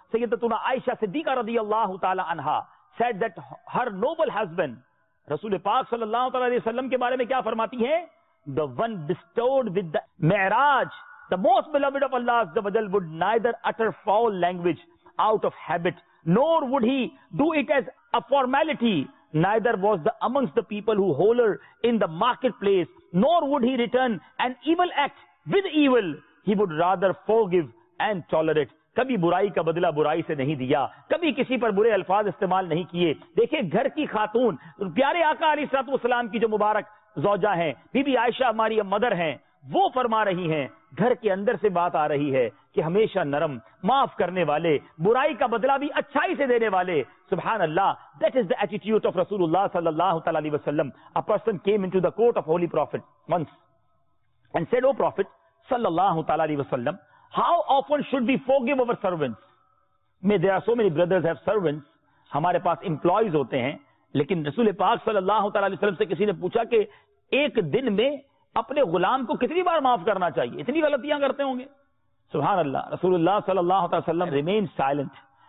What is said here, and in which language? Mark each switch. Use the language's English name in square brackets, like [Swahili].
[English] Sayyidatuna Aisha Siddiqa radiyallahu ta'ala anha said that her noble husband Rasul Pak sallallahu ta'ala alaihi wasallam [Urdu] ke bare mein kya farmati hai, [English] the one bestowed with the mi'raj, the most beloved of Allah azza wa jal, would neither utter foul language out of habit, nor would he do it as a formality, neither was the amongst the people who hold her in the marketplace, nor would he return an evil act with evil, he would rather forgive and tolerate. [Urdu] کبھی برائی کا بدلہ برائی سے نہیں دیا, کبھی کسی پر برے الفاظ استعمال نہیں کیے. دیکھیں گھر کی خاتون, پیارے آقا علیہ الصلوۃ والسلام کی جو مبارک زوجہ ہیں, بی بی عائشہ ہماری مدر ہیں, وہ فرما رہی ہیں, گھر کے اندر سے بات آ رہی ہے کہ ہمیشہ نرم, معاف کرنے والے, برائی کا بدلہ بھی اچھائی سے دینے والے. [English] سبحان اللہ, that is the attitude of رسول اللہ صلی اللہ علیہ وسلم. A person came into the court of Holy Prophet once and said, O Prophet صلی اللہ علیہ وسلم, how often should we forgive our servants? May there are so many brothers have servants, [Urdu] ہمارے پاس employees ہوتے ہیں, لیکن رسول پاک صلی اللہ علیہ وسلم سے کسی نے پوچھا کہ ایک دن میں اپنے غلام کو کتنی بار معاف کرنا چاہیے, اتنی غلطیاں کرتے ہوں گے. [English] سبحان اللہ, رسول اللہ صلی اللہ علیہ وسلم remained silent.